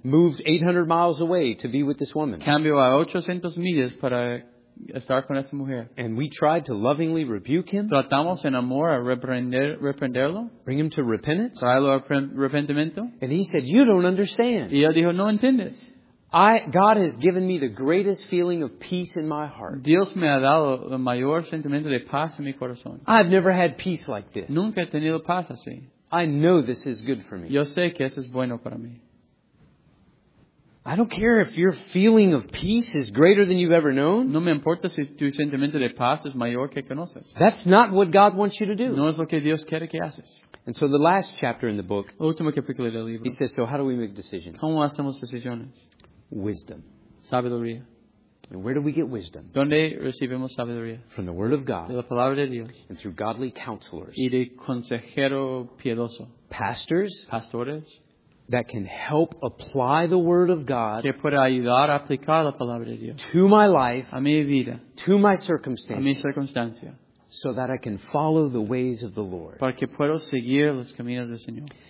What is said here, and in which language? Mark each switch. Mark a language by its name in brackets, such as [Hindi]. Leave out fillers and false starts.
[English] Moved 800 miles away to be with this woman. [Spanish] Cambió a 800 millas para estar con esa mujer. [English] And we tried to lovingly rebuke him. [Spanish] Tratamos en amor a reprenderlo. [English] Bring him to repentance. [Spanish] Traerlo a arrepentimiento. [English] And he said, "You don't understand." [Spanish] Y él dijo, "No entiendes." [English] God has given me the greatest feeling of peace in my heart. [Spanish] Dios me ha dado el mayor sentimiento de paz en mi corazón. [English] I've never had peace like this. [Spanish] Nunca he tenido paz así. [English] I know this is good for me. [Spanish] Yo sé que esto es bueno para mí. [English] I don't care if your feeling of peace is greater than you've ever known. [Spanish] No me importa si tu sentimiento de paz es mayor que conoces. [English] That's not what God wants you to do. [Spanish] No es lo que Dios quiere que haces. [English] And so the last chapter in the book, [Spanish] el último capítulo del libro, [English] he says, so how do we make decisions? [Spanish] ¿Cómo hacemos decisiones? [English] Wisdom. [Spanish] Sabiduría. [English] And where do we get wisdom? [Spanish] ¿Dónde recibimos sabiduría? [English] From the Word of God. [Spanish] De la palabra de Dios. [English] And through godly counselors. [Spanish] Y de consejero piedoso. [English] Pastors. [Spanish] Pastores. [English] That can help apply the Word of God [Spanish] que puede ayudar a aplicar la palabra de Dios [English] to my life, [Spanish] a mi vida, [English] to my circumstances, [Spanish] a mi circunstancia, [English] so that I can follow the ways of the Lord. [Spanish] Para que puedo seguir los caminos del Señor.